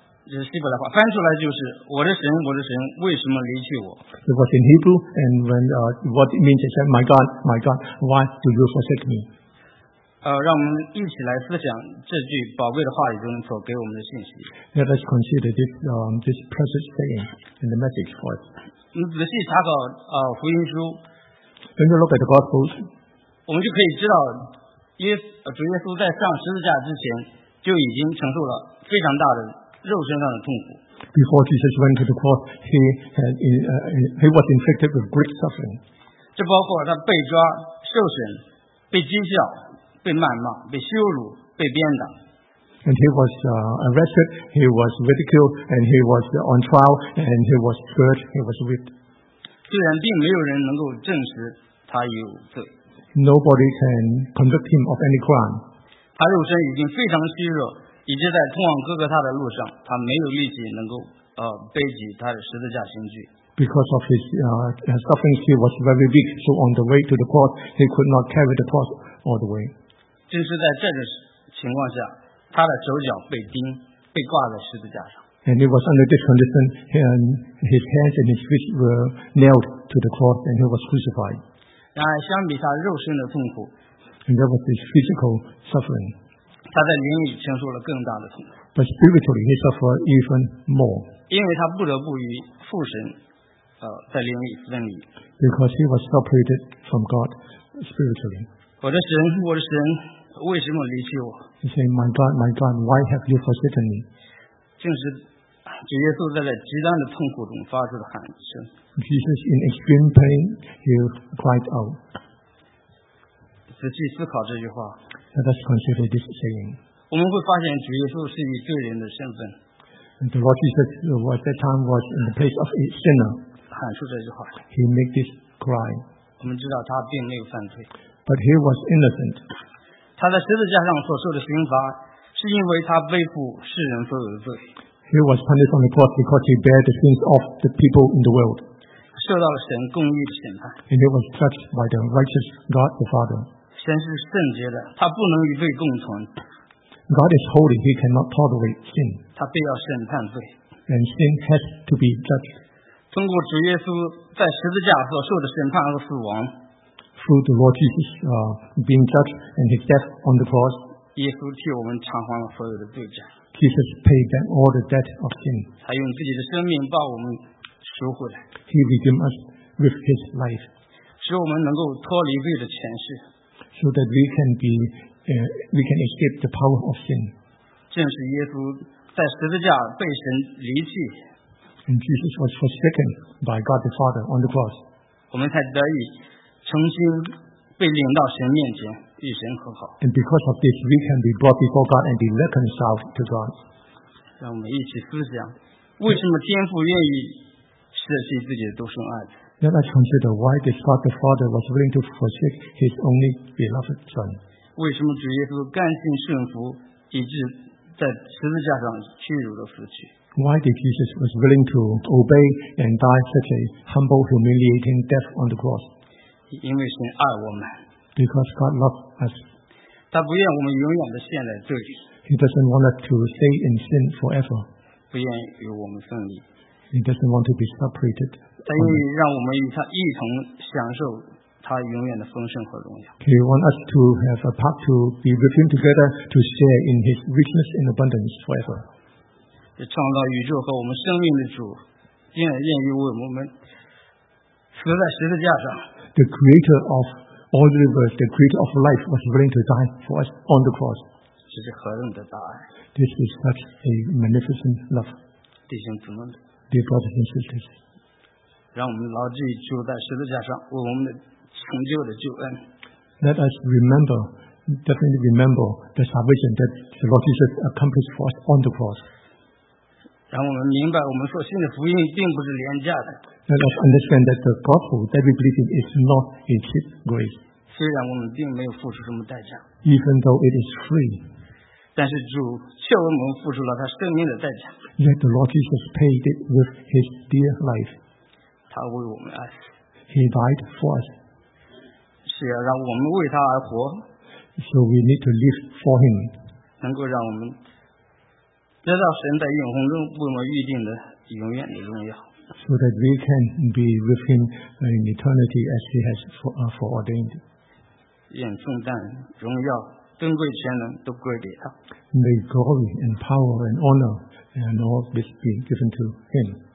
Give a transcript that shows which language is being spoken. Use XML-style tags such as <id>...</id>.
<zh>希伯来话翻出来就是我的神，我的神为什么离弃我？</zh> <en>It was in Hebrew, and when what it means is that my God, my God, why do you forsake me?</en> <zh>让我们一起来思想这句宝贵的话语中所给我们的信息。</zh> <en>Let us consider this precious saying in the message for us.</en> <zh>你仔细查考福音书。</zh> <en>When you look at the Gospels,</en> <zh>我们就可以知道主耶稣在上十字架之前就已经承受了非常大的肉身上的痛苦。</zh> <en>Before Jesus went to the cross, he was infected with great suffering.</en> <zh>这包括他被抓、受审、被讥笑、被谩骂、被羞辱、被鞭打。</zh> <en>And he was arrested, he was ridiculed, and he was on trial, and he was scourged, he was whipped.</en> <zh>虽然并没有人能够证实他有罪。</zh> <en>Nobody can convict him of any crime.</en> <zh>他肉身已经非常虚弱。以致在通往哥哥他的路上，他没有力气能够背起他的十字架刑具。</zh> <en>Because of his suffering, he was very weak. So on the way to the cross, he could not carry the cross all the way.</en> <zh>正是在这种情况下，他的手脚被钉，被挂在十字架上。</zh> <en>And it was under this condition, and his hands and his feet were nailed to the cross, and he was crucified.</en> <zh>然而，相比他肉身的痛苦</zh> <en>，and that was his physical suffering.</en> <zh>他在灵里承受了更大的痛苦。</zh> <en>But spiritually he suffered even more.</en> <zh>因为他不得不与父神在灵里分离。</zh> <en>Because he was separated from God spiritually.</en> <zh>我的神，我的神，为什么离弃我？</zh> <en>He said, My God, my God, why have you forsaken me?</en> <zh>正是主耶稣在极端的痛苦中发出的喊声。</zh> <en>Jesus, in extreme pain, he cried out.</en> <zh>仔细思考这句话。</zh> <en>Let us consider this saying.</en> <zh>我们会发现主耶稣是以罪人的身份。</zh> <en>And the Lord Jesus was at that time was in the place of a sinner.</en> <zh>喊出这句话。</zh> <en>He made this cry.</en> <zh>我们知道他并没有犯罪。</zh> <en>But he was innocent.</en> <zh>他在十字架上所受的刑罚是因为他背负世人所有的罪。</zh> <en>He was punished on the cross because he bare the sins of the people in the world.</en> <zh>受到了神公义的审判。</zh> <en>And he was judged by the righteous God the Father.</en> <zh>神是圣洁的，他不能与罪共存。</zh> <en>God is holy, he cannot tolerate sin.</en> <zh>他必要审判罪。</zh> <en>And sin has to be judged.</en> <zh>通过主耶稣在十字架所受的审判和死亡。</zh> <en>Through the Lord Jesus being judged and his death on the cross.</en> <zh>耶稣替我们偿还了所有的罪债。</zh> <en>Jesus paid back all the debt of sin.</en> <zh>他用自己的生命把我们赎回来。</zh> <en>He redeemed us with his life.</en> <zh>使我们能够脱离罪的权势。</zh> <en>So that we can escape the power of sin.</en> <zh>正是耶稣在十字架被神离弃。</zh> <en>And Jesus was forsaken by God the Father on the cross.</en> <zh>我们才得以重新被领到神面前，与神和好。</zh> <en>And because of this, we can be brought before God and be reconciled to God.</en> <zh>让我们一起思想，为什么天父愿意舍弃自己的独生爱子？</zh> <en>Let us consider why this God the Father was willing to forsake his only beloved Son.</en> <zh>为什么主耶稣甘心顺服，以致在十字架上屈辱的死去？</zh> <en>Why did Jesus was willing to obey and die such a humble, humiliating death on the cross?</en> <zh>因为神爱我们。</zh> <en>Because God loved us.</en> <zh>他不愿我们永远的陷在罪里。</zh> <en>He doesn't want us to stay in sin forever.</en> <zh>不愿与我们分离。</zh> <en>He doesn't want to be separated.</en> <zh>他愿意让我们与他一同享受他永远的丰盛和荣耀。</zh> <en>He wants us to have a part to be with him together to share in his richness and abundance forever.</en> <zh>创造宇宙和我们生命的主，愿意为我们死在十字架上。</zh> <en>The creator of all the universe, the creator of life, was willing to die for us on the cross.</en> <zh>这是何等的大爱。</zh> <en>This is such a magnificent love.</en> <zh>弟兄姊妹。</zh> <en>Dear brothers and sisters.</en> <zh>让我们牢记主在十字架上为我们的成就的救恩。</zh> <en>Let us remember, definitely remember the salvation that the Lord Jesus accomplished for us on the cross.</en> <zh>让我们明白我们所信的福音并不是廉价的。</zh> <en>Let us understand that the gospel that we believe in is not a cheap grace.</en> <zh>虽然我们并没有付出什么代价。</zh> <en>Even though it is free.</en> <zh>但是主却为我们付出了他生命的代价。</zh> <en>Yet the Lord Jesus paid it with his dear life.</en> <zh>他为我们爱。</zh> <en>He died for us.</en> <zh>是要让我们为他而活。</zh> <en>So we need to live for him.</en> <zh>能够让我们得到神在永恒中为我们预定的永远的荣耀。</zh> <en>So that we can be with him in eternity as he has foreordained.</en> <zh>愿颂赞、荣耀、尊贵、全能都归给他。</zh> <en>May glory and power and honor and all this be given to him.</en>